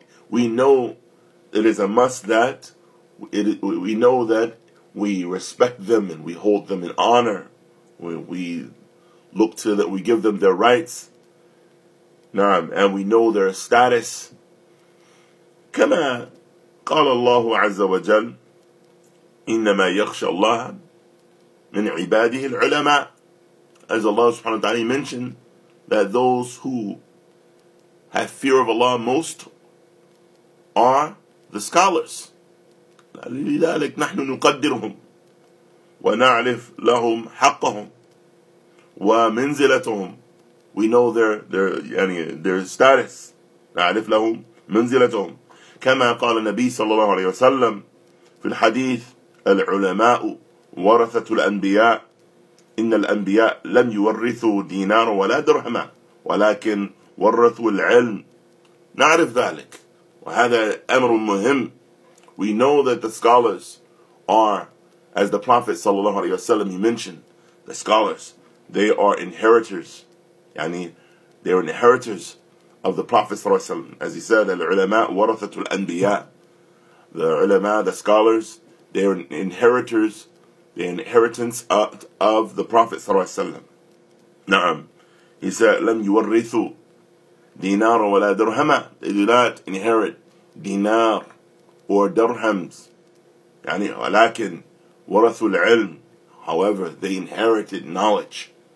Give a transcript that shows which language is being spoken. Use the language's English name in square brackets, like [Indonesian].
[English] We know it is a must that we know that we respect them and we hold them in honor. We look to that, we give them their rights. [Arabic] نعم, [English] and we know their status. [Arabic] كما قال الله عز وجل إنما يخشى الله من عباده العلماء. [English] As Allah subhanahu wa ta'ala mentioned, that those who have fear of Allah most are the scholars. [Arabic] لذلك نحن نقدرهم ونعرف لهم حقهم ومنزلتهم. [English] We know their status. [Arabic] نعرف لهم منزلتهم. كما قال النبي صلى الله عليه وسلم في الحديث, العلماء ورثة الأنبياء, إن الأنبياء لم يورثوا دينار ولا درهما ولكن ورثوا العلم. نعرف ذلك, وهذا أمر مهم. [English] We know that the scholars are, as the Prophet sallallahu alaihi wasallam, he mentioned, the scholars, they are inheritors. يعني, they are inheritors of the Prophet sallallahu alaihi wasallam. As he said, [Arabic] العلماء ورثة الأنبياء. [English] The ulama, the scholars, they are inheritors, the inheritance of the Prophet sallallahu alaihi wasallam. [Arabic] نعم. [English] He said, [Arabic] لم يورثوا دينار ولا درهما. [English] They do not inherit دينار or dirhams, [Arabic] يعني ولكن ورثوا العلم, [English] however, they inherited knowledge.